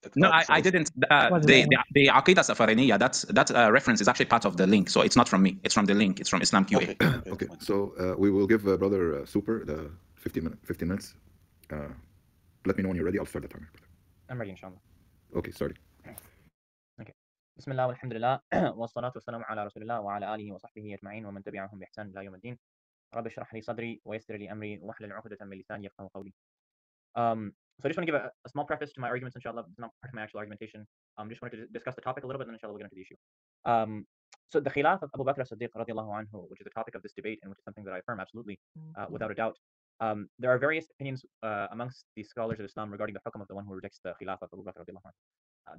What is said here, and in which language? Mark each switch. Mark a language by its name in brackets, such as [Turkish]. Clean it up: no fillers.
[English] No, I didn't. The Aqidah Safariniya, that reference is actually part of the link. So it's not from me. It's from the link. It's from Islam QA. Okay. Okay. So we will give Brother Super the 15 minutes. Let me know when you're ready. I'll start the timer. I'm ready, inshallah. Okay, sorry. [Arabic] بسم الله والحمد لله والصلاة والسلام على رسول الله وعلى آله وصحبه أجمعين ومن تبعهم بإحسان إلى يوم الدين رب اشرح لي صدري ويسر لي أمري واحلل عقدة من لساني يفقهوا قولي. [English] So I just want to give a small preface to my arguments, inshallah. It's not part of my actual argumentation. I just wanted to discuss the topic a little bit, and inshallah we'll get into the issue. So the Khilaf of Abu Bakr as-Siddiq radiallahu anhu, which is the topic of this debate and which is something that I affirm absolutely without a doubt. There are various opinions amongst the scholars of Islam regarding the hukm of the one who rejects the Khilafah of Abu Bakr radiallahu anhu.